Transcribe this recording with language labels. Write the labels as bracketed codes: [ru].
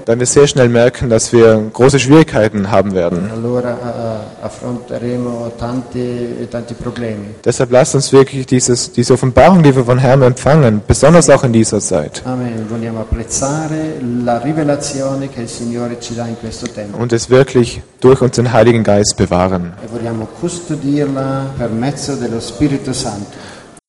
[de] dann wir sehr schnell merken, dass wir große Schwierigkeiten haben werden. [it] Allora affronteremo tanti problemi. [de] Deshalb lasst uns wirklich diese Offenbarung, die wir von Herrn empfangen, besonders auch in dieser Zeit. Amen. [it] Vogliamo apprezzare la rivelazione che il Signore ci dà in questo tempo. [de] Und es wirklich durch unseren Heiligen Geist bewahren. [it] E vogliamo custodirla per mezzo dello Spirito Santo.